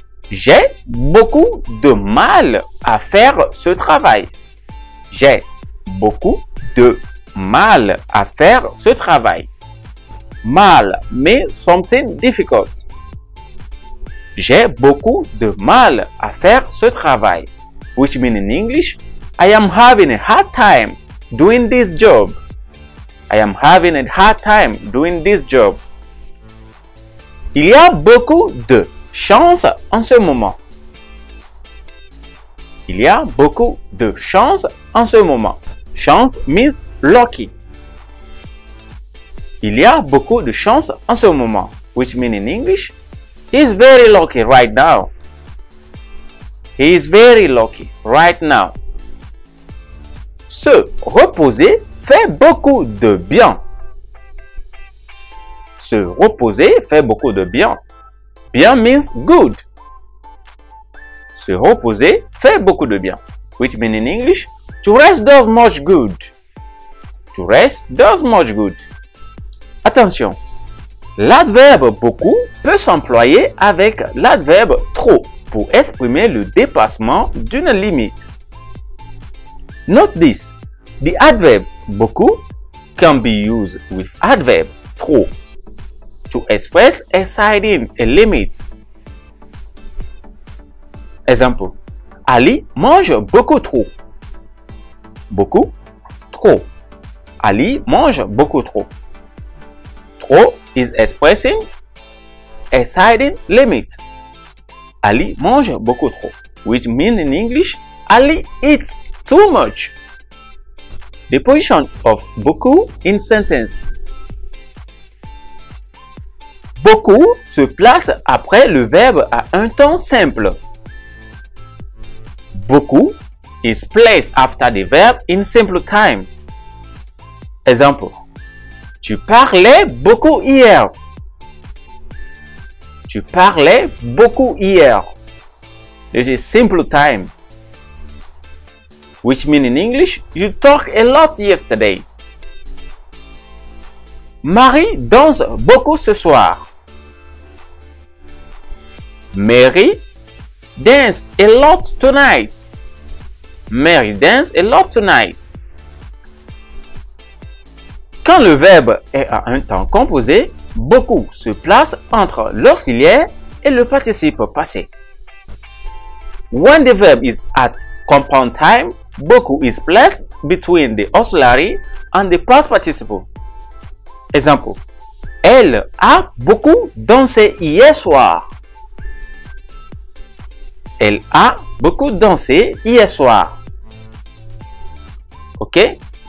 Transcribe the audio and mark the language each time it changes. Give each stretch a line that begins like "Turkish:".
French: J'ai beaucoup de mal à faire ce travail. J'ai beaucoup de mal à faire ce travail.
English: Mal means something difficult.
French: J'ai beaucoup de mal à faire ce travail.
English: Which means in English, I am having a hard time doing this job. I am having a hard time doing this job.
French: Il y a beaucoup de chance en ce moment. Il y a beaucoup de chance en ce moment.
English: Chance means lucky.
French: Il y a beaucoup de chance en ce moment.
English: Which means in English, he is very lucky right now. He is very lucky right now.
French: Se reposer fait beaucoup de bien. Se reposer fait beaucoup de bien.
English: Bien means good.
French: Se reposer fait beaucoup de bien.
English: Which means in English, to rest does much good. To rest does much good.
French: Attention, l'adverbe beaucoup peut s'employer avec l'adverbe trop pour exprimer le dépassement d'une limite.
English: Note this, the adverb beaucoup can be used with adverb trop to express a siding, a limit.
French: Exemple, Ali mange beaucoup trop. Beaucoup, trop. Ali mange beaucoup trop.
English: Trop is expressing a siding limit.
French: Ali mange beaucoup trop,
English: which means in English, Ali eats too much. The position of beaucoup in sentence.
French: Beaucoup se place après le verbe à un temps simple.
English: Beaucoup is placed after the verb in simple time.
French: Exemple. Tu parlais beaucoup hier. Tu parlais beaucoup hier.
English: It is simple time. Which means in English, you talk a lot yesterday.
French: Marie danse beaucoup ce soir.
English: Mary dance a lot tonight. Mary dance a lot tonight.
French: Quand le verbe est à un temps composé, beaucoup se place entre l'auxiliaire et le participe passé.
English: When the verb is at compound time, beaucoup is placed between the auxiliary and the past participle.
French: Exemple. Elle a beaucoup dansé hier soir. Elle a beaucoup dansé hier soir. Ok?